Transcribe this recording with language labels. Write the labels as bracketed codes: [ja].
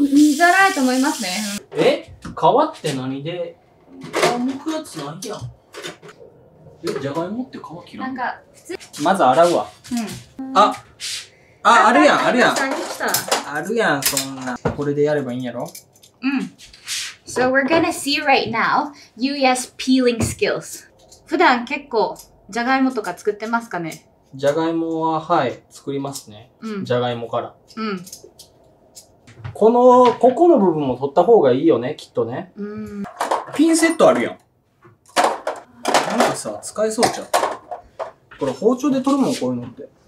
[ja] 水洗うと思いますね。え？皮って何で、皮むくやつないやん。え、じゃがいもって皮切らん？なんか、普通。まず洗うわ。うん。あ、あるやん、あるやん。あるやん、そんな。これでやればいいんやろ？うん。 [en] So we're gonna see right now, Yuya's peeling skills. [ja] 普段結構じゃがいもとか作ってますかね？じゃがいもははい作りますね。うん、じゃがいもから。うん、このここの部分も取った方がいいよねきっとね。うん、ピンセットあるやん。なんかさ使えそうじゃん。これ包丁で取るもんこういうのって。